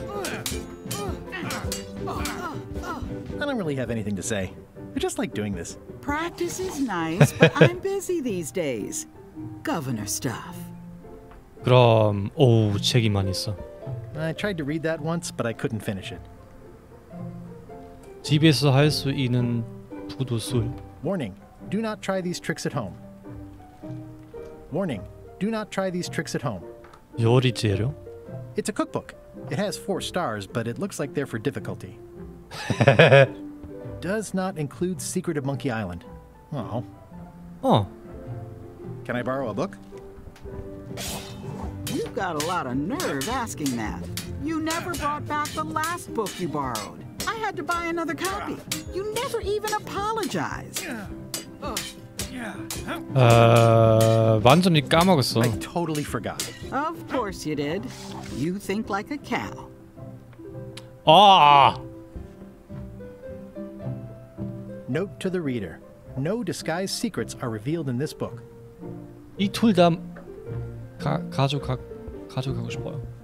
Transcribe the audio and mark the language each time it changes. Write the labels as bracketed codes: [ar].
[en] I don't really have anything to say. I just like doing this. Practice is nice, but I'm busy these days. Governor stuff. [ko] 그럼, 오, 책이 많이 있어. [en] I tried to read that once, but I couldn't finish it. [ko] 집에서 할 수 있는 부두술. [en] Warning. Do not try these tricks at home. Warning. Do not try these tricks at home. [ko] 요리 재료? [en] It's a cookbook. It has 4 stars, but it looks like they're for difficulty. Does not include Secret of Monkey Island. Oh. Oh. Can I borrow a book? You've got a lot of nerve asking that. You never brought back the last book you borrowed. I had to buy another copy. You never even apologized. [ko] Yeah. 까먹었어. [en] I totally forgot. Of course you did. You think like a cow. Ah. Note to the reader. No disguised secrets are revealed in this book. [ko] 이 둘 다 가져가고 싶어요.